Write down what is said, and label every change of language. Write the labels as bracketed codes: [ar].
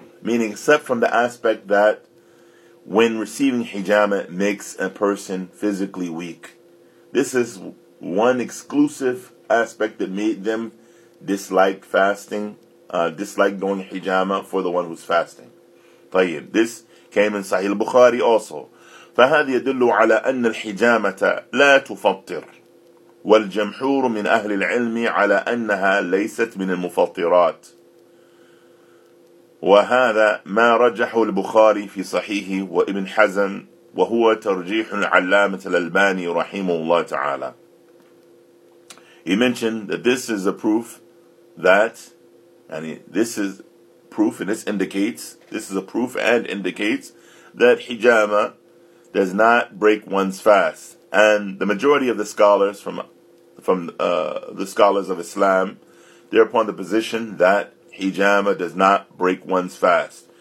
[en] Meaning, except from the aspect that when receiving hijama makes a person physically weak. This is one exclusive aspect that made them dislike fasting, dislike doing hijama for the one who's fasting. [ar] طيب, [en] this came in Sahih al-Bukhari also. [ar] فهذا يدل على أن الحجامة لا تفطر والجمحور من أهل العلم على أنها ليست من المفطرات وهذا ما رجح البخاري في صحيحه وابن حزم وهو ترجيح العلامة الألباني رحمه الله تعالى. [en] He mentioned that this is a proof that, and this is proof and this indicates, this is a proof and indicates that hijama does not break one's fast. And the majority of the scholars from the scholars of Islam, they're upon the position that hijama does not break one's fast.